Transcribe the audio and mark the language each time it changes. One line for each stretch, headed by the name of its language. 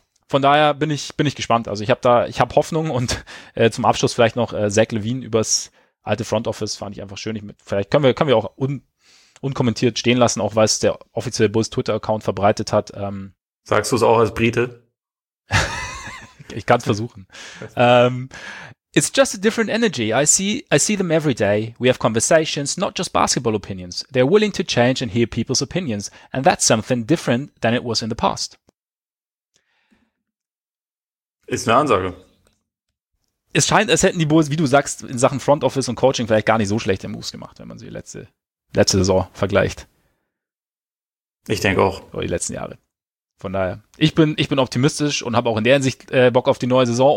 German: Von daher bin ich gespannt. Also ich habe Hoffnung und zum Abschluss vielleicht noch Zach LaVine übers alte Front Office, fand ich einfach schön. Vielleicht können wir auch unkommentiert stehen lassen, auch weil es der offizielle Bulls Twitter-Account verbreitet hat. Sagst du es auch als Brite? Ich kann es versuchen.
English: It's just a different energy. I see them every day. We have conversations, not just basketball opinions. They're willing to change and hear people's opinions. And that's something different than it was in the past.
German: Ist eine Ansage. Es scheint, als hätten die Bulls, wie du sagst, in Sachen Front Office und Coaching vielleicht gar nicht so schlechte Moves gemacht, wenn man sie letzte Saison vergleicht. Ich denke auch. Oder die letzten Jahre. Von daher, ich bin optimistisch und habe auch in der Hinsicht Bock auf die neue Saison.